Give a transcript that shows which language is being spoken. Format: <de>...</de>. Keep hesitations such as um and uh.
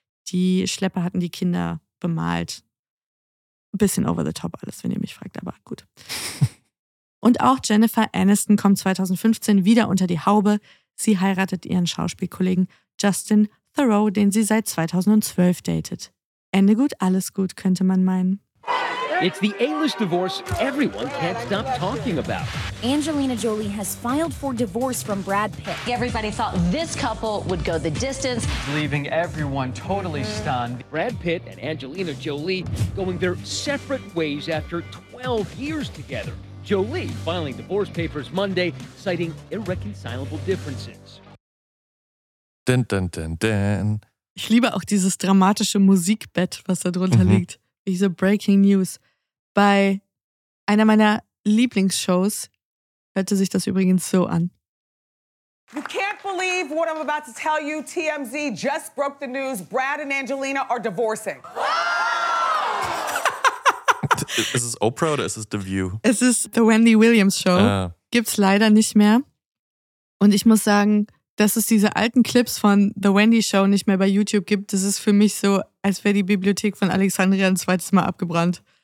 <de>Die Schlepper hatten die Kinder bemalt. Ein bisschen</de> <en>over the top</en> <de>alles, wenn ihr mich fragt, aber gut. Und auch Jennifer Aniston kommt 2015 wieder unter die Haube. Sie heiratet ihren Schauspielkollegen Justin Thoreau, den sie seit 2012 datet. Ende gut, alles gut, könnte man meinen.</de> <en>It's the A-list divorce everyone can't stop talking about. Angelina Jolie has filed for divorce from Brad Pitt. Everybody thought this couple would go the distance, leaving everyone totally stunned. Brad Pitt and Angelina Jolie going their separate ways after 12 years together. Jolie filing divorce papers Monday, citing irreconcilable differences. Din, din, din,</en> <de>ich liebe auch dieses dramatische Musikbett, was da drunter mhm. liegt. Diese Breaking News. Bei einer meiner Lieblingsshows hörte sich das übrigens so an.</de> <en>You can't believe what I'm about to tell you. TMZ just broke the news. Brad and Angelina are divorcing. Wow!</en> <de>ist es Oprah oder ist es The View? Es ist</de> <en>The Wendy Williams Show. Yeah.</en> <de>Gibt's leider nicht mehr. Und ich muss sagen, dass es diese alten Clips von The Wendy Show nicht mehr bei YouTube gibt, das ist für mich so, als wäre die Bibliothek von Alexandria ein zweites Mal abgebrannt.</de>